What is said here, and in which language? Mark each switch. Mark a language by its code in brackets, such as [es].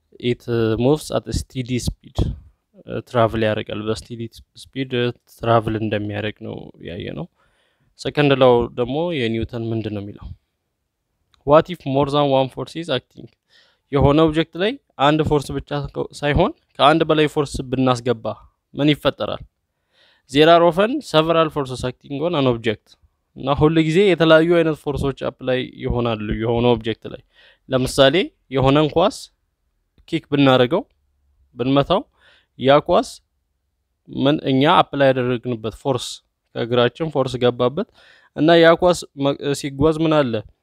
[en] ኢት ሙቭስ አት ስቲዲ ስፒድ [am] ትራቨል ያደርጋል በስቲዲ ስፒድ ትራቨል እንደሚያደርግ ነው ያየነው። ሰከንድ ላው ደግሞ የኒውተን ምንድነው የሚለው [en] what if more than one force is acting [am] የሆነ ኦብጀክት ላይ አንድ ፎርስ ብቻ ሳይሆን ከአንድ በላይ ፎርስ ብናስገባ ምን ይፈጠራል? [en] There are often several forces acting on an object. [am] እና ሁሉ ጊዜ የተለያዩ አይነት ፎርሶች አፕላይ ይሆናሉ የሆነ ኦብጀክት ላይ። ለምሳሌ የሆነን ኳስ ኪክ ብናረገው ብንመታው ያ ኳስ ምን እኛ አፕላይ ያደረግንበት ፎርስ ከግራችን ፎርስ ገባበት እና ያ ኳስ ሲጓዝ ምን አለ?